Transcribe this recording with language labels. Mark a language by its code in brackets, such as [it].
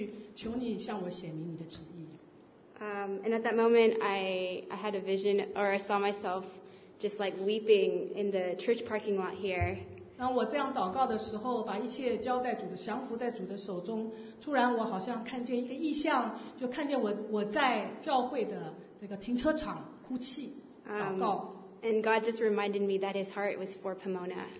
[zh] 那我祷告的时候，我跟神说，我把一切奉献给你，我把我的手打开来，主，你把所有的都拿去，求你向我显明你的旨意。 [en] And at that moment, I had a vision, or I saw myself just like weeping in the church parking lot here. [zh] 当我这样祷告的时候，把一切交在主的降服在主的手中，突然我好像看见一个异象，就看见我在教会的这个停车场哭泣， [en] And God just reminded me that His heart was for Pomona.